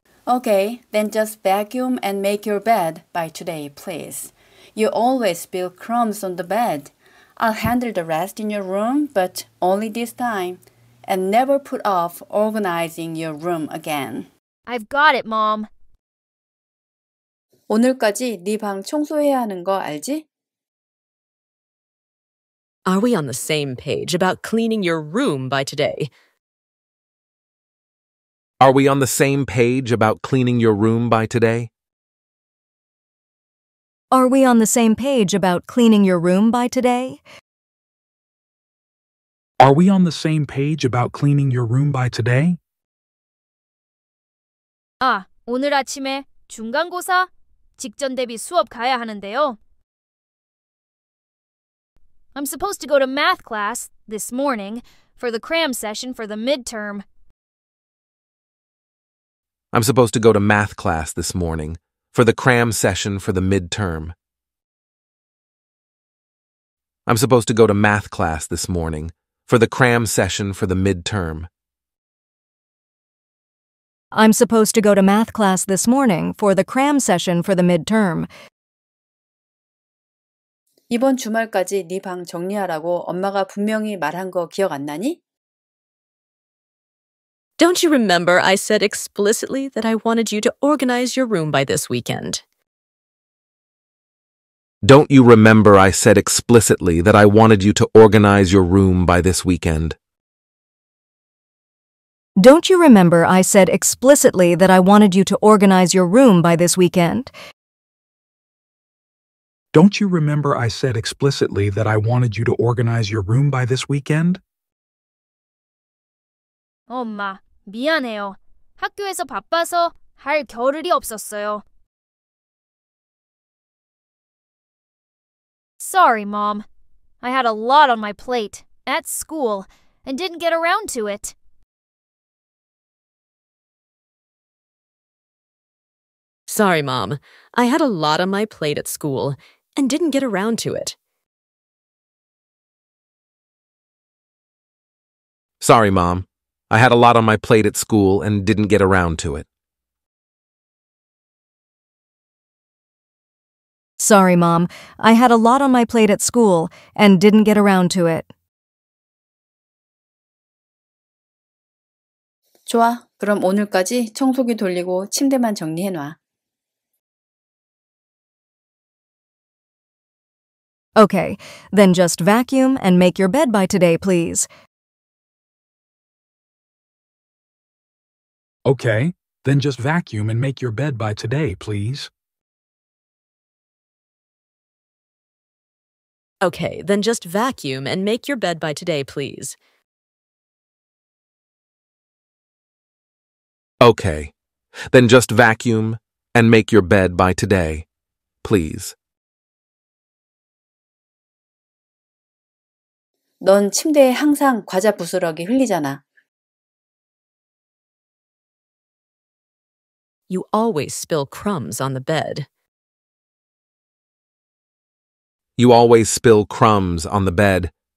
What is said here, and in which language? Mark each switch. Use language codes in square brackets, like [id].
[en] Okay, then just vacuum and make your bed by today, please. You always spill crumbs on the bed. I'll handle the rest in your room, but only this time. And never put off organizing your room again. I've got it, Mom. [ko] 오늘까지 네 방 청소해야 하는 거 알지? [en] Are we on the same page about cleaning your room by today? Are we on the same page about cleaning your room by today? Are we on the same page about cleaning your room by today? Are we on the same page about cleaning your room by today? [ko] 아, 오늘 아침에 중간고사 직전 대비 수업 가야 하는데요. [en] I'm supposed to go to math class this morning for the cram session for the midterm. I'm supposed to go to math class this morning for the cram session for the midterm. I'm supposed to go to math class this morning for the cram session for the midterm. I'm supposed to go to math class this morning for the cram session for the midterm. [ko] 이번 주말까지 네 방 정리하라고 엄마가 분명히 말한 거 기억 안 나니? [en] Don't you remember I said explicitly that I wanted you to organize your room by this weekend? Don't you remember I said explicitly that I wanted you to organize your room by this weekend? Don't you remember I said explicitly that I wanted you to organize your room by this weekend? Don't you remember I said explicitly that I wanted you to organize your room by this weekend? [ko] Oh, ma, 미안해요. 학교에서 바빠서 할 겨를이 없었어요. [en] Sorry, Mom. I had a lot on my plate at school and didn't get around to it. Sorry, Mom. I had a lot on my plate at school and didn't get around to it. Sorry, Mom. I had a lot on my plate at school and didn't get around to it. Sorry, Mom. I had a lot on my plate at school and didn't get around to it. [ko] 좋아. 그럼 오늘까지 청소기 돌리고 침대만 정리해 놔. [en] Okay, then just vacuum and make your bed by today, please. Okay, then just vacuum and make your bed by today, please. Okay, then just vacuum and make your bed by today, please. Okay, then just vacuum and make your bed by today, please. [ko] 넌 침대에 항상 과자 부스러기 흘리잖아. [en] You always spill crumbs on the bed. You always spill crumbs on the bed.